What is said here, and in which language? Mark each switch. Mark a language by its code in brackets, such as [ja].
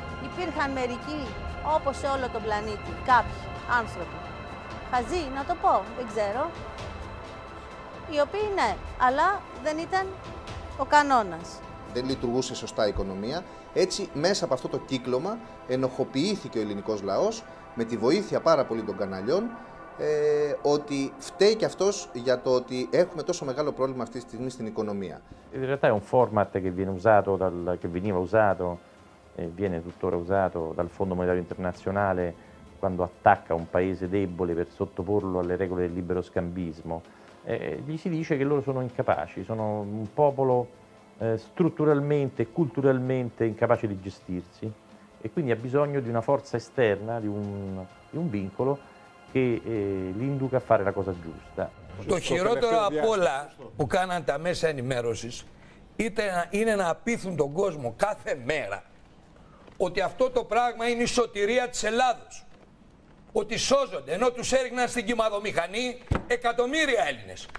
[el] Υπήρχαν μερικοί, όπως σε όλο τον πλανήτη, κάποιοι άνθρωποι, χαζί να το πω, δεν ξέρω, οι οποίοι ναι, αλλά δεν ήταν ο κανόνας. Δεν λειτουργούσε σωστά η οικονομία, έτσι μέσα από αυτό το κύκλωμα ενοχοποιήθηκε ο ελληνικός λαός με τη βοήθεια πάρα πολύ των καναλιών, ότι φταίει και αυτός για το ότι έχουμε τόσο μεγάλο πρόβλημα αυτή τη στιγμή στην οικονομία. [it] In realtà è un format che viene usato che veniva usato e viene tuttora usato dal Fondo Monetario Internazionale quando attacca un paese debole per sottoporlo alle regole del libero scambismo. Gli si dice che loro sono incapaci, sono un popolo strutturalmente e culturalmente incapace di gestirsi e quindi ha bisogno di una forza esterna, di un vincolo che li induca a fare la cosa giusta. [el] Το χειρότερο από όλα που κάναν τα μέσα ενημέρωσης είναι να απείθουν τον κόσμο κάθε μέρα ότι αυτό το πράγμα είναι η σωτηρία της Ελλάδος. Ότι σώζονται, ενώ τους έριχναν στην κυμαδομηχανή εκατομμύρια Έλληνες.